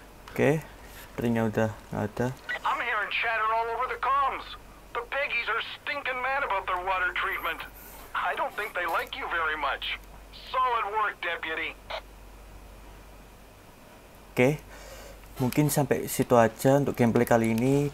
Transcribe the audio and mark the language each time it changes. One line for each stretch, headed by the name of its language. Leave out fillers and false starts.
Indonesian: Oke, sepertinya udah nggak ada.
English: I'm hearing chatter all over the comms. The piggies are stinking mad about their water treatment. I don't think they like you very much. Solid work, deputy.
Indonesian: Oke, mungkin sampai situ aja untuk gameplay kali ini.